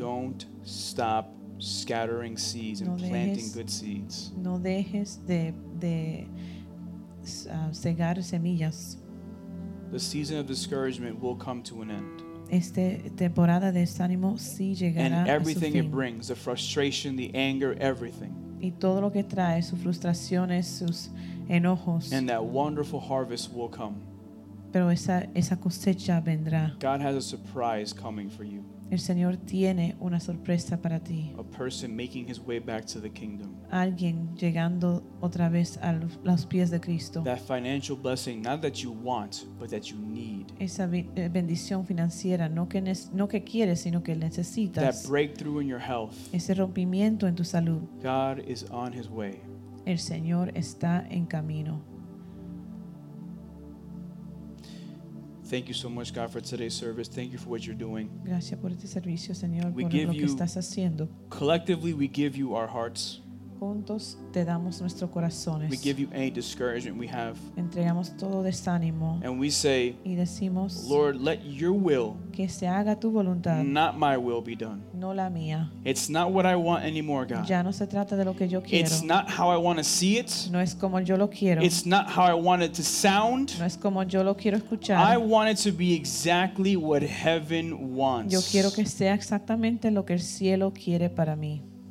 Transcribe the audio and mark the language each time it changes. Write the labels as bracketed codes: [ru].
[en] Don't stop scattering seeds and planting good seeds. [es] No dejes de segar semillas. [en] The season of discouragement will come to an end. [es] Esta temporada de desánimo sí llegará a su fin. [en] And everything it brings, the frustration, the anger, everything. [es] Y todo lo que trae, sus frustraciones, sus enojos. [en] And that wonderful harvest will come. [es] Pero esa cosecha vendrá. [en] God has a surprise coming for you. [es] El Señor tiene una sorpresa para ti. [en] A person making his way back to the kingdom. [es] Alguien llegando otra vez a los pies de Cristo. [en] That financial blessing, not that you want, but that you need. [es] Esa bendición financiera, no que quieres, sino que necesitas. [en] That breakthrough in your health. [es] Ese rompimiento en tu salud. [en] God is on his way. [es] El Señor está en camino. [en] Thank you so much, God, for today's service. Thank you for what you're doing. [es] Gracias por este servicio, Señor, por lo que estás haciendo. [en] Collectively, we give you our hearts. [es] Juntos te damos nuestros corazones. [en] We give you any discouragement we have. [es] Entregamos todo desánimo. [en] And we say, [es] y decimos, [en] Lord, let your will, [es] que se haga tu voluntad, [en] not my will be done. [es] No la mía. [en] It's not what I want anymore, God. [es] Ya no se trata de lo que yo quiero. [en] It's not how I want to see it. [es] No es como yo lo quiero. [en] It's not how I want it to sound. [es] No es como yo lo quiero escuchar. [en] I want it to be exactly what heaven wants. [es] Yo quiero que sea exactamente lo que el cielo quiere para mí.